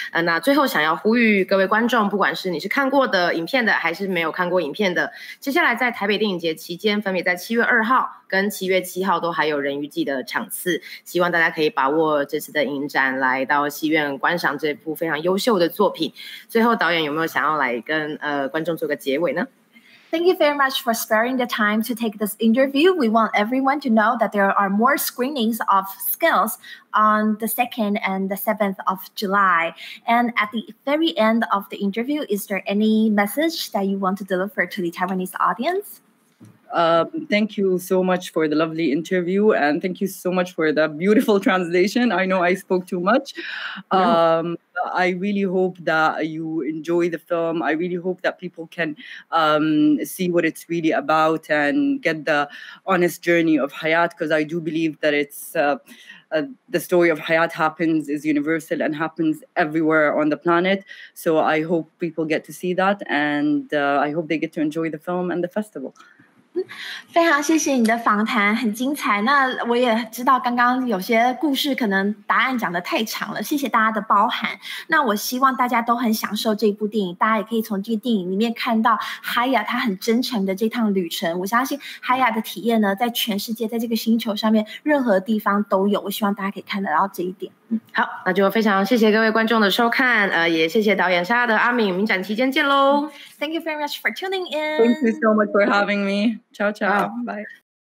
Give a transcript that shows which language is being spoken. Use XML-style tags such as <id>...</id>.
<zh>那最后想要呼吁各位观众，不管是你是看过的影片的还是没有看过影片的，接下来在台北电影节期间，分别在7月2号跟7月7号都还有人鱼季的场次，希望大家可以把握这次的影展来到戏院观赏这部非常优秀的作品。最后导演有没有想要来跟观众做个结尾呢？</zh> <en>Thank you very much for sparing the time to take this interview. We want everyone to know that there are more screenings of Skills on the 2nd and the 7th of July. And at the very end of the interview, is there any message that you want to deliver to the Taiwanese audience? Thank you so much for the lovely interview, and thank you so much for the beautiful translation. I know I spoke too much. I really hope that you enjoy the film. I really hope that people can see what it's really about and get the honest journey of Hayat, because I do believe that it's the story of Hayat happens, is universal and happens everywhere on the planet. So I hope people get to see that, and I hope they get to enjoy the film and the festival.</en> <zh>非常谢谢你的访谈，很精彩。那我也知道刚刚有些故事可能答案讲得太长了，谢谢大家的包涵。那我希望大家都很享受这部电影，大家也可以从这个电影里面看到 Hayat 他很真诚的这趟旅程。我相信 Hayat 的体验呢，在全世界，在这个星球上面任何地方都有，我希望大家可以看得到这一点。好，那就非常谢谢各位观众的收看，也谢谢导演沙的阿敏，明展期间见咯。</zh> <en>Thank you very much for tuning in. Thank you so much for having me. Ciao, ciao. Bye.</en>